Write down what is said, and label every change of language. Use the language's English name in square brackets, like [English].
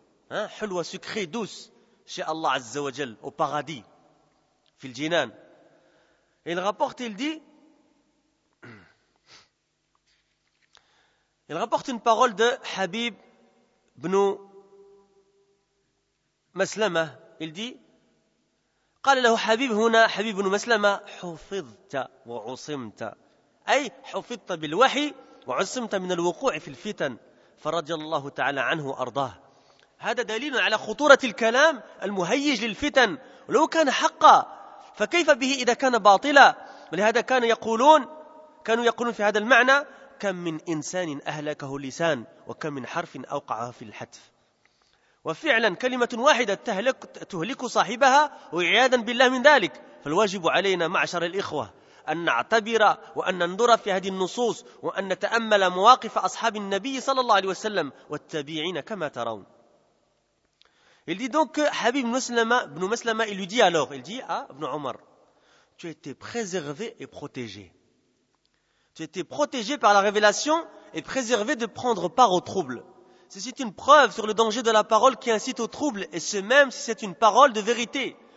[French] Hulwa, sucrée, douce, chez Allah Azza wa Jal, au paradis, [Arabic] fil jinan. [French] Et il rapporte une parole de Habib ibn Maslama. Il dit, [Arabic] قال له حبيب هنا حبيب ibn Maslama, حفظت وعصمت. أي حفظت بالوحي وعصمت من الوقوع في الفتن فرضي الله تعالى عنه وأرضاه. هذا دليل على خطورة الكلام المهيج للفتن, ولو كان حقا فكيف به إذا كان باطلا. ولهذا كانوا يقولون في هذا المعنى كم من إنسان أهلكه لسان وكم من حرف أوقعه في الحتف. وفعلا كلمة واحدة تهلك صاحبها, وعياذا بالله من ذلك. فالواجب علينا معشر الإخوة أن نعتبر وأن ننظر في هذه النصوص وأن نتأمل مواقف أصحاب النبي صلى الله عليه وسلم والتابعين كما ترون. [French] Il dit donc que Habib ibn Maslama, il lui dit alors, il dit à Ibn Omar, tu as été préservé et protégé. Tu as été protégé par la révélation et préservé de prendre part au trouble. Ceci est une preuve sur le danger de la parole qui incite au trouble, et ce même si c'est une parole de vérité.